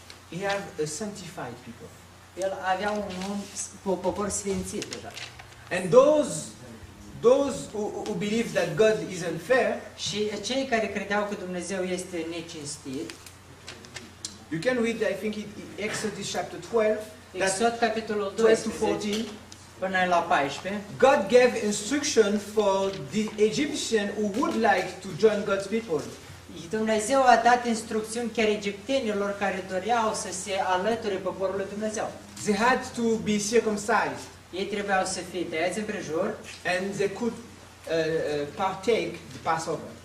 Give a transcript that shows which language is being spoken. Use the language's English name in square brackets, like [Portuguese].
[English] He had a sanctified people. [Romanian] El avea un om, un popor sfințit, da. [English] And those who believe that God is unfair, [Romanian] și cei care credeau că Dumnezeu este necinstit, [English] you can read, I think it Exodus chapter 12, [Romanian] Exod capitolul 12-14, până la 14. [English] God gave instruction for the Egyptian who would like to join God's people. [Romanian] Dumnezeu a dat instrucțiuni chiar egiptenilor care doreau să se alăture poporului Dumnezeu. [English] They had to be circumcised. [Romanian] Ei trebuiau să fie tăiați împrejur. [English] And they could partake the Passover.